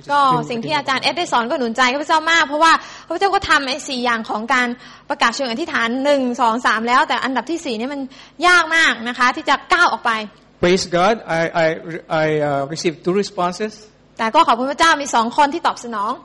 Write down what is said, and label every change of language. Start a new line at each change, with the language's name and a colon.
English: which is
Thai: สิ่งที่อาจารย์เอ็ดได้สอนก็หนุนใจข้าพเจ้ามากเพราะว่าข้าพเจ้าก็ทําไอ้4อย่างของการประกาศเชิงอธิษฐาน1 2 3แล้วแต่อันดับที่4นี่มันยากมากนะคะที่จะก้าวออกไป
English: Praise God I received two responses
Thai: แต่ก็ขอบคุณพระเจ้ามี2คนที่ตอบสนอง